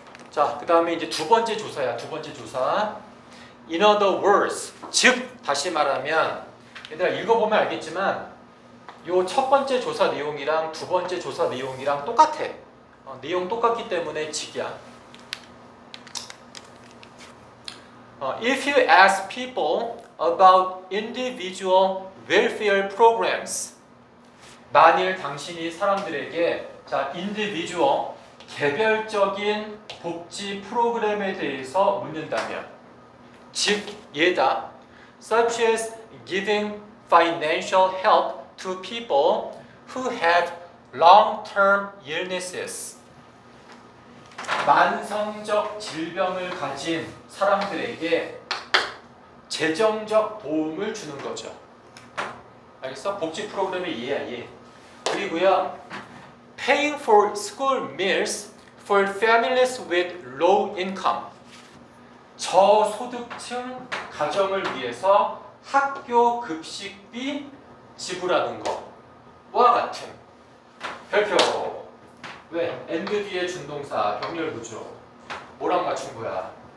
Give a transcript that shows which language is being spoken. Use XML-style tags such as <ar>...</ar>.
<ko>자, 그 다음에 이제 두 번째 조사야. 두 번째 조사.</ko> <en>In other words,</en> <ko>즉 다시 말하면 얘들아 읽어보면 알겠지만 요 첫 번째 조사 내용이랑 두 번째 조사 내용이랑 똑같아. 내용 똑같기 때문에 직이야.</ko> <en>If you ask people about individual welfare programs,</en> <ko>만일 당신이 사람들에게 자 individual 개별적인 복지 프로그램에 대해서 묻는다면, 즉 예다,</ko> <en>such as giving financial help to people who have long-term illnesses.</en> <ko>만성적 질병을 가진 사람들에게 재정적 도움을 주는 거죠. 알겠어? 복지 프로그램의 이해야, 이해. 그리고요,</ko> <en>paying for school meals for families with low income.</en> <ko>저소득층 가정을 위해서 학교 급식비 지불하는 것과 같은. 별표. 왜? 엔드 뒤에 준동사, 병렬구조. 뭐랑 맞춘 거야?</ko>